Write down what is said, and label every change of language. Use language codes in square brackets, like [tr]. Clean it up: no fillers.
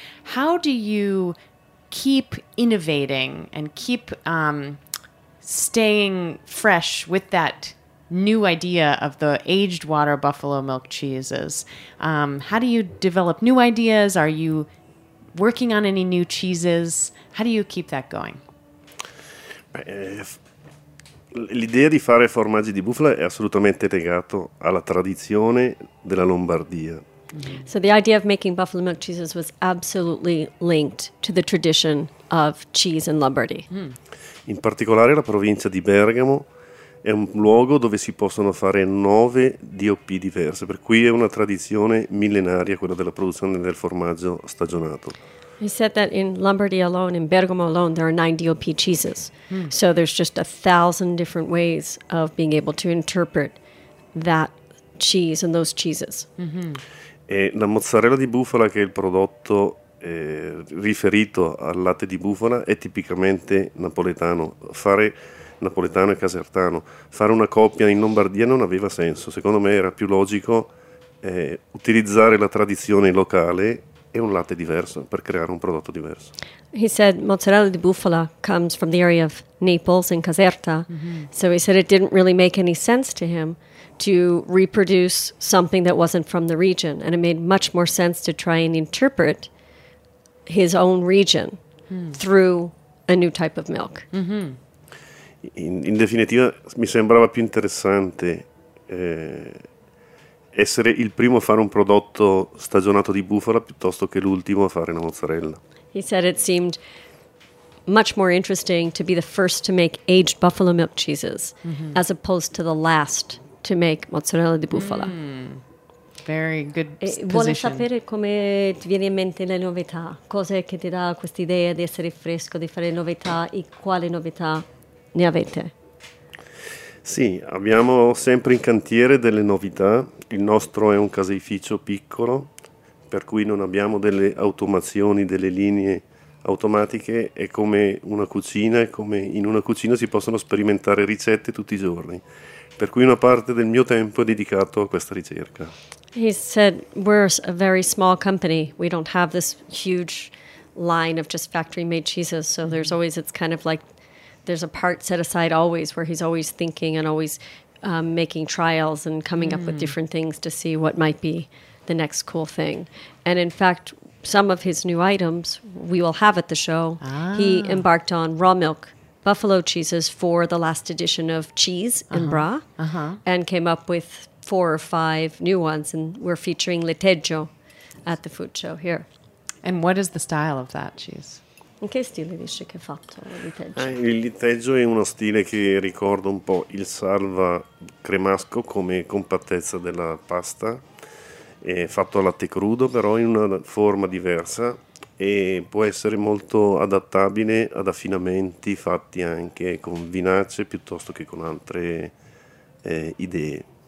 [en] How do you keep innovating and keep staying fresh with that new idea of the aged water buffalo milk cheeses? How do you develop new ideas? Are you working on any new cheeses? How do you keep that going? [it] L'idea di fare formaggi di bufala è assolutamente legato alla tradizione della Lombardia. [en] So the idea of making buffalo milk cheeses was absolutely linked to the tradition of cheese in Lombardy. Mm. [it] In particolare la provincia di Bergamo è un luogo dove si possono fare 9 DOP diverse, per cui è una tradizione millenaria quella della produzione del formaggio stagionato. [en] He said that in Lombardy alone, in Bergamo alone, there are 9 DOP cheeses. Mm. So there's just 1,000 different ways of being able to interpret that cheese and those cheeses. Mm-hmm. [it] E la mozzarella di bufala, che è il prodotto riferito al latte di bufala, è tipicamente napoletano. Fare napoletano e casertano. Fare una coppia in Lombardia non aveva senso. Secondo me era più logico utilizzare la tradizione locale e un latte diverso per creare un prodotto diverso. [en] He said mozzarella di bufala comes from the area of Naples and Caserta. Mm-hmm. So he said it didn't really make any sense to him to reproduce something that wasn't from the region, and it made much more sense to try and interpret his own region through a new type of milk. Mm-hmm. In definitiva mi sembrava più interessante essere il primo a fare un prodotto stagionato di bufala piuttosto che l'ultimo a fare la mozzarella. He said it seemed much more interesting to be the first to make aged buffalo milk cheeses as opposed to the last to make mozzarella di bufala. Mm. Very good position. [it] Vuole sapere come ti viene in mente le novità? Cosa che ti dà questa idea di essere fresco, di fare novità, e quali novità ne avete? Sì, abbiamo sempre in cantiere delle novità. Il nostro è un caseificio piccolo, per cui non abbiamo delle automazioni, delle linee automatiche. È come una cucina, e come in una cucina si possono sperimentare ricette tutti i giorni. Per cui una parte del mio tempo è dedicato a questa ricerca. [en] He said, we're a very small company. We don't have this huge line of just factory made cheeses. So there's always, it's kind of like there's a part set aside always where he's always thinking and always making trials and coming up with different things to see what might be the next cool thing. And in fact, some of his new items we will have at the show. He embarked on raw milk buffalo cheeses for the last edition of Cheese in Bra and came up with 4 or 5 new ones, and we're featuring Leteggio at the food show here. And what is the style of that cheese? [it] In che stile dice che fatto Leteggio? Il Leteggio è uno stile che ricorda un po' il salva cremasco come compattezza della pasta. È fatto a latte crudo, però in una forma diversa, e può essere molto adattabile ad affinamenti fatti anche con vinace piuttosto che con altre idee.